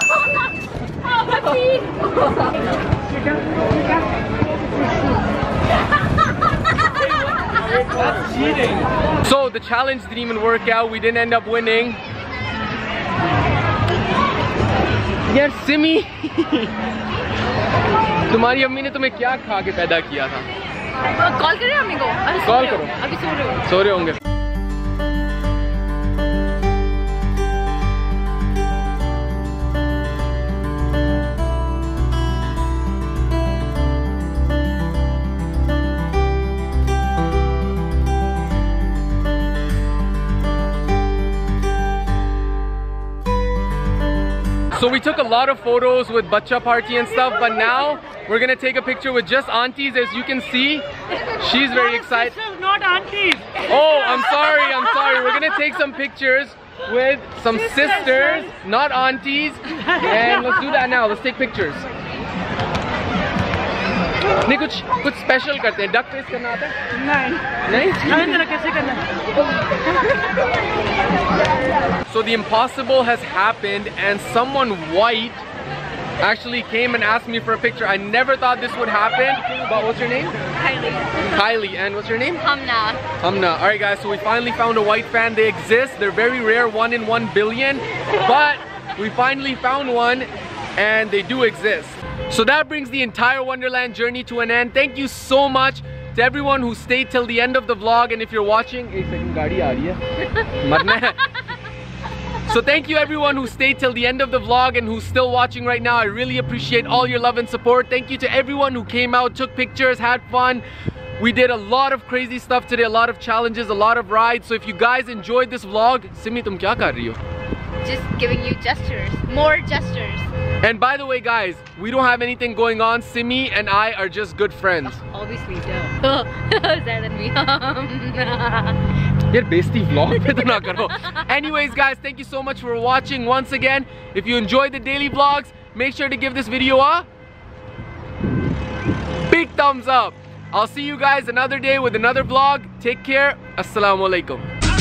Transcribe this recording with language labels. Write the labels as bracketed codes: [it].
[en] Oh, my feet! So the challenge didn't even work out. We didn't end up winning. Yes, Simi. [hi] तुम्हारी अम्मी ने तुम्हें क्या खा के पैदा किया था? Call kare ammi ko. Call करो. Abhi so rahe ho. सो रहे होंगे. [en] So we took a lot of photos with [hi] bachcha party [en] and stuff, but now we're gonna take a picture with just aunties. As you can see, she's very excited. Not aunties. Oh, I'm sorry. We're gonna take some pictures with some sisters, not aunties. And let's do that now. Let's take pictures. [hi] नहीं कुछ कुछ special करते हैं. Duck face करना आता है? नहीं. नहीं? अरे तेरा कैसे करना? [en] So the impossible has happened and someone white actually came and asked me for a picture. I never thought this would happen, but what's your name? Kylie. And what's your name? Hamna. Alright guys, so we finally found a white fan. They exist. They're very rare, 1 in 1 billion. But we finally found one and they do exist. So that brings the entire Wonderland journey to an end. Thank you so much to everyone who stayed till the end of the vlog. And if you're watching, hey, [hi] second gaadi aa rahi hai. Marna hai. [en] So thank you everyone who stayed till the end of the vlog and who's still watching right now. I really appreciate all your love and support. Thank you to everyone who came out, took pictures, had fun. We did a lot of crazy stuff today, a lot of challenges, a lot of rides. So if you guys enjoyed this vlog, [hi] Simi, तुम क्या कर रही हो? [en] Just giving you gestures, more gestures. And by the way guys, we don't have anything going on. Simi and I are just good friends. Obviously, duh. Better than me. Yeah, bestie vlog [hi] पे तो ना करो. [en] Anyways guys, thank you so much for watching once again. If you enjoy the daily vlogs, make sure to give this video a big thumbs up. I'll see you guys another day with another vlog. Take care. Assalamualaikum.